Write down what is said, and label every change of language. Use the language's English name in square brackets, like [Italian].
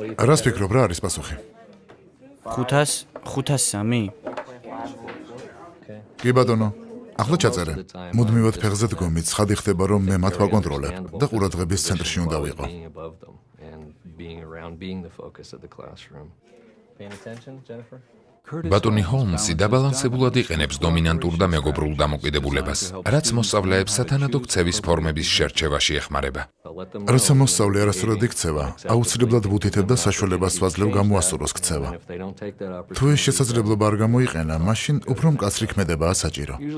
[Georgian] რას ფიქრობ, რა არის პასუხი? 500? 503? კი ბატონო, ახლა ჩაწერე. მუდმივად ფეხზე დგომი, ცხადი ხდება რომ მე მათ ვაკონტროლებ და ყურადღების ცენტრში უნდა ვიყო. [English] Being the focus of the classroom. Paying attention, Jennifer? [Georgian] ბატონი ჰოლმსი დაბალანსებულად იყენებს დომინანტურ და მეგობრულ დამოკიდებულებას, რაც მოსწავლეებს სათანადო ქცევის ფორმების შერჩევაში ეხმარება. როცა მოსწავლე არასწორად იქცევა, აუცილებლად ვუთითებ და საშუალებას ვაძლევ გამოასწოროს ქცევა. თუ ეს შესაძლებლობა არ გამოიყენა, მაშინ უფრო მკაცრი ქმედებაა საჭირო.